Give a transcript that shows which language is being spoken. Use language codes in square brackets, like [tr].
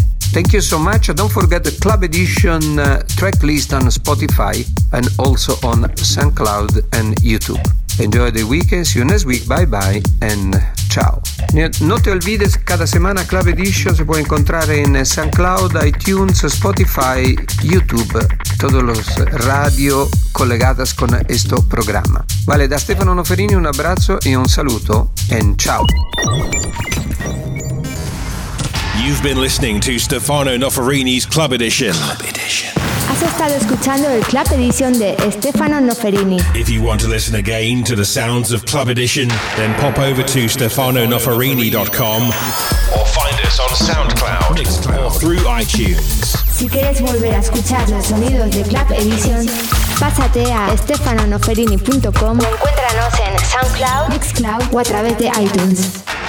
[en] Thank you so much. Don't forget the Club Edition track list on Spotify and also on SoundCloud and YouTube. Enjoy the weekend. See you next week. Bye bye and ciao. [es] No te olvides, cada semana Club Edition se puede encontrar en SoundCloud, iTunes, Spotify, YouTube, todos los radio collegadas con este programa. Vale, da Stefano Noferini un abrazo y [it] un saluto [en] and [es] ciao. [en] You've been listening to Stefano Noferini's Club Edition. [es] Club Edition. Has estado escuchando el Club Edition de Stefano Noferini. [en] If you want to listen again to the sounds of Club Edition, then pop over to StefanoNoferini.com or find it. us on SoundCloud, Mixcloud, or through iTunes. [es] Si quieres volver a escuchar los sonidos de Club Edition, pásate a stefanonoferini.com o encuéntranos en SoundCloud, Mixcloud o a través de iTunes.